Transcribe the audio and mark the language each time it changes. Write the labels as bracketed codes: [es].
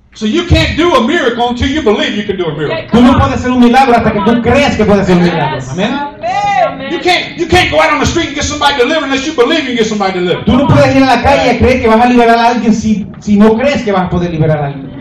[en] So you can't do a miracle until you believe you can do a miracle. [es] Tú no puedes hacer un milagro hasta que tú creas que puedes hacer un milagro. [en] Amen. You can't go out on the street and get somebody delivered unless you believe you can get somebody delivered. [es] Tú no puedes ir a la calle y creer que vas a liberar a alguien si no crees que vas a poder liberar a alguien.